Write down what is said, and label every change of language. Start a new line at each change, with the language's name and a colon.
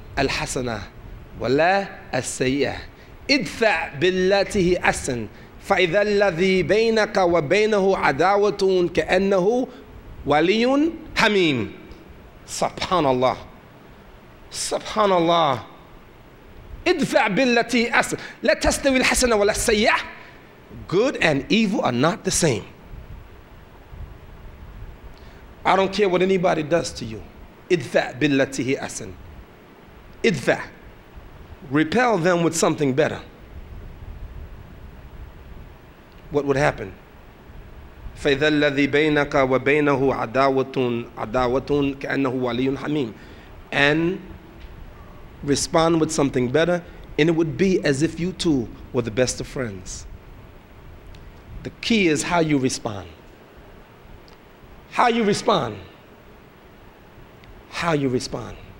Arabic: الحسنة ولا السيئة ادفع بالتي هي أحسن فإذا الذي بينك وبينه عداوة كأنه ولي حميم سبحان الله سبحان الله ادفع بالتي أحسن لا تستوي الحسنة ولا السيئة
English: good and evil are not the same I don't care what anybody does to you.
Arabic: ادفع بالتي هي أحسن. ادفع.
English: Repel them with something better. What would happen?
Arabic: فإذا الذي بينك وبينه عداوة عداوة كأنه ولي حميم.
English: And respond with something better, and it would be as if you two were the best of friends. The key is how you respond. How you respond, how you respond.